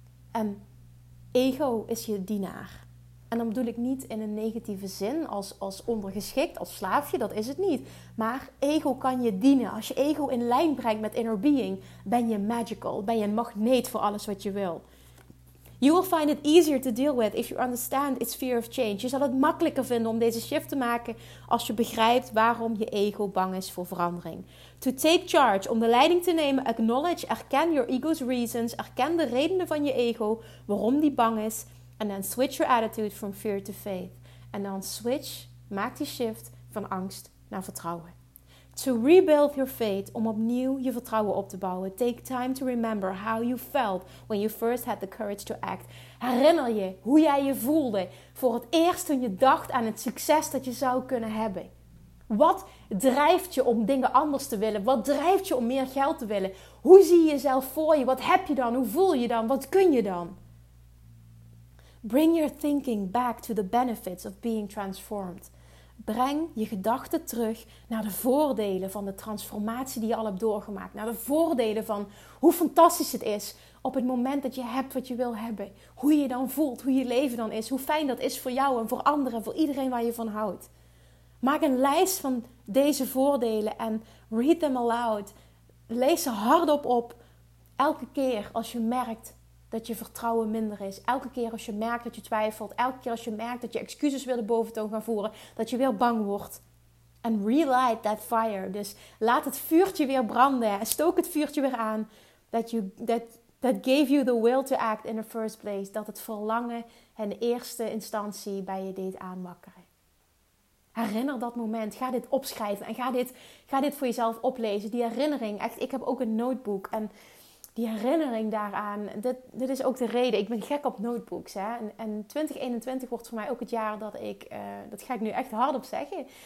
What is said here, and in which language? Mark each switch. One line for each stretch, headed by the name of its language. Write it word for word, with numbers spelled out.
Dutch: En ego is je dienaar. En dan bedoel ik niet in een negatieve zin als, als ondergeschikt, als slaafje, dat is het niet. Maar ego kan je dienen. Als je ego in lijn brengt met inner being, ben je magical. Ben je een magneet voor alles wat je wil.
English: You will find it easier to deal with if you understand its fear of change.
Dutch: Je zal het makkelijker vinden om deze shift te maken als je begrijpt waarom je ego bang is voor verandering.
English: To take charge,
Dutch: om de leiding te nemen,
English: acknowledge,
Dutch: erken
English: your ego's reasons,
Dutch: erken de redenen van je ego, waarom die bang is. En dan
English: switch your attitude from fear to faith.
Dutch: En dan switch, maak die shift van angst naar vertrouwen.
English: To rebuild your faith,
Dutch: om opnieuw je vertrouwen op te bouwen.
English: Take time to remember how you felt when you first had the courage to act.
Dutch: Herinner je hoe jij je voelde voor het eerst toen je dacht aan het succes dat je zou kunnen hebben. Wat drijft je om dingen anders te willen? Wat drijft je om meer geld te willen? Hoe zie je jezelf voor je? Wat heb je dan? Hoe voel je dan? Wat kun je dan?
English: Bring your thinking back to the benefits of being transformed.
Dutch: Breng je gedachten terug naar de voordelen van de transformatie die je al hebt doorgemaakt. Naar de voordelen van hoe fantastisch het is op het moment dat je hebt wat je wil hebben. Hoe je je dan voelt, hoe je leven dan is. Hoe fijn dat is voor jou en voor anderen, voor iedereen waar je van houdt. Maak een lijst van deze voordelen en
English: read them aloud.
Dutch: Lees ze hardop op. Elke keer als je merkt dat je vertrouwen minder is. Elke keer als je merkt dat je twijfelt. Elke keer als je merkt dat je excuses weer de boventoon gaan voeren. Dat je weer bang wordt. En
English: relight that fire.
Dutch: Dus laat het vuurtje weer branden. En stook het vuurtje weer aan. That, you, that, that gave you the will to act in the first place. Dat het verlangen in eerste instantie bij je deed aanwakkeren. Herinner dat moment. Ga dit opschrijven. En ga dit, ga dit voor jezelf oplezen. Die herinnering. Echt, ik heb ook een notebook. En die herinnering daaraan, dit, dit is ook de reden. Ik ben gek op notebooks. Hè? En, en twintig eenentwintig wordt voor mij ook het jaar dat ik, uh, dat ga ik nu echt hardop zeggen.